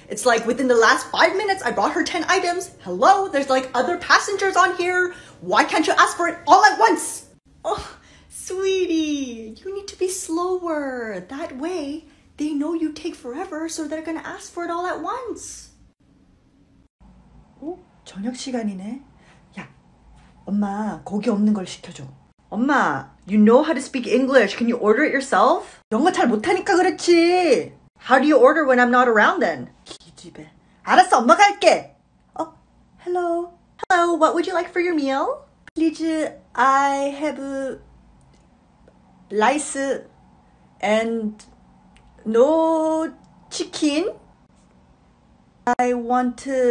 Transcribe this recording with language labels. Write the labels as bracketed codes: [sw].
[en] It's like within the last 5 minutes, I brought her 10 items. Hello, there's like other passengers on here. Why can't you ask for it all at once? Oh, sweetie, you need to be slower. That way, they know you take forever, so they're gonna ask for it all at once. [ko] Oh, 저녁 시간이네. 야, 엄마, 고기 없는 걸 시켜줘. [en] 엄마, you know how to speak English. Can you order it yourself? [ko] 영어 잘 못하니까 그렇지. [en] How do you order when I'm not around then? [ko] 기집애. 알았어, 엄마 갈게. [en] Oh, hello. Hello, what would you like for your meal? Please, I have rice and no chicken. I want...